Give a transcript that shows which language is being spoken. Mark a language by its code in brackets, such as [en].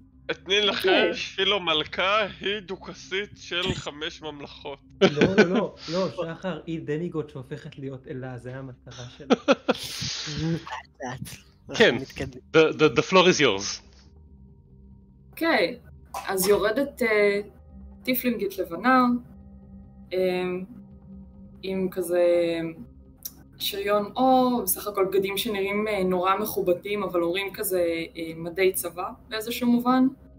[he] אתני לכם שילו מלכה היא דוכסית של חמש ממלכות. לא, שחר, היא דמיגוד שהופכת להיות אלה, זה המטרה שלה. [en] כן, the floor is yours. [he] אוקיי, אז יורדת טיפלינגית לבנה, עם כזה שריון אור, בסך הכל בגדים שנראים נורא מכובדים, אבל אומרים כזה מדי צבא באיזשהו מובן.